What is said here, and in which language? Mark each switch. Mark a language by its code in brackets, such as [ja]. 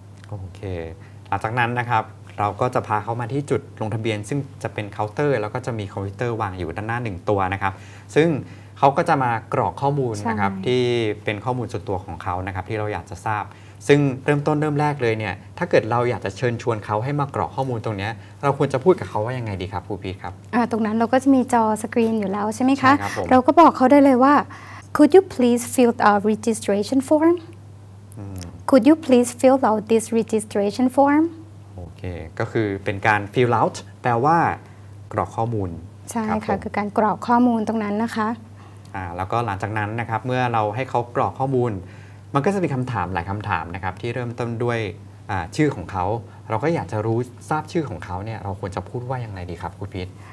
[th] โอเคหลังจากนั้นนะครับเราก็จะพาเขามาที่จุดลงทะเบียนซึ่งจะเป็นเคาน์เตอร์แล้วก็จะมีคอมพิวเตอร์วางอยู่ด้านหน้า1ตัวนะครับซึ่งเขาก็จะมากรอกข้อมูลนะครับที่เป็นข้อมูลส่วนตัวของเขานะครับที่เราอยากจะทราบซึ่งเริ่มต้นเริ่มแรกเลยเนี่ยถ้าเกิดเราอยากจะเชิญชวนเขาให้มากรอกข้อมูลตรงนี้เราควรจะพูดกับเขาว่ายังไงดีครับครูพีทครับ ตรงนั้นเราก็จะมีจอสกรีนอยู่แล้วใช่ไหมคะ ครับผม เราก็บอกเขาได้เลยว่า [en] could you please fill our registration form could you please fill out this registration form [th] โอเคก็คือเป็นการ fill out แปลว่ากรอกข้อมูล ใช่ค่ะคือการกรอกข้อมูลตรงนั้นนะคะ แล้วก็หลังจากนั้นนะครับเมื่อเราให้เขากรอกข้อมูลมันก็จะมีคำถามหลายคำถามนะครับที่เริ่มต้นด้วยชื่อของเขาเราก็อยากจะรู้ทราบชื่อของเขาเนี่ยเราควรจะพูดว่ายังไงดีครับคุณพีท